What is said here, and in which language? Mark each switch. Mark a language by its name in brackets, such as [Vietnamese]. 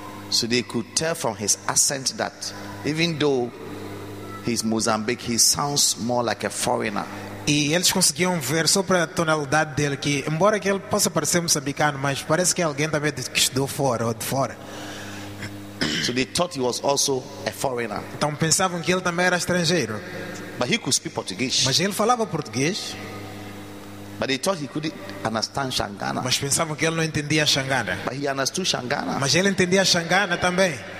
[English] So they could tell from his accent that even though he's Mozambique, he sounds more like a foreigner. [Portuguese] E eles conseguiam ver só pela tonalidade dele que, embora que ele possa parecer moçambicano, mas parece que alguém também que estudou fora ou de fora. [English] So they thought he was also a foreigner. [Portuguese] Então pensavam que ele também era estrangeiro. [English] But he could speak Portuguese. [Portuguese] Mas ele falava português. [English] But they thought he couldn't understand Shangana. [Portuguese] Mas pensavam que ele não entendia Shangana. [English] But he understood Shangana. [Portuguese] Mas ele entendia Shangana também.